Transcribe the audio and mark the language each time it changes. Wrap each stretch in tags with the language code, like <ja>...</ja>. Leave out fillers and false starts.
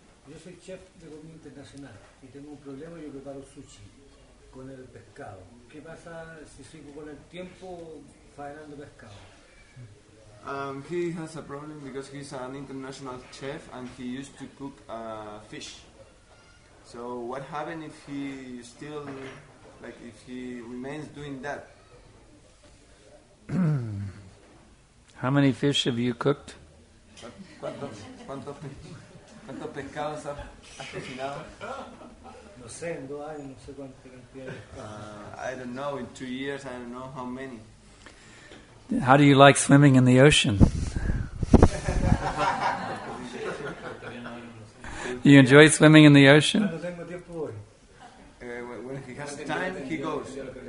<es>Yo soy chef de comida internacional y tengo un problema. Yo preparo sushi con el pescado. ¿Qué pasa si sigo con el tiempo faenando pescado?</es> <en>He has a problem because he's an international chef and he used to cook fish. So what happens if he still, like, if he remains doing that? How many fish have you cooked?</en> <es>¿Cuántos pescados has cocinado? No sé, en 2 años, no sé cuánta cantidad.</es> <en>I don't know, in 2 years, I don't know how many. How do you like swimming in the ocean? You enjoy swimming in the ocean? When he has time, he goes.</en>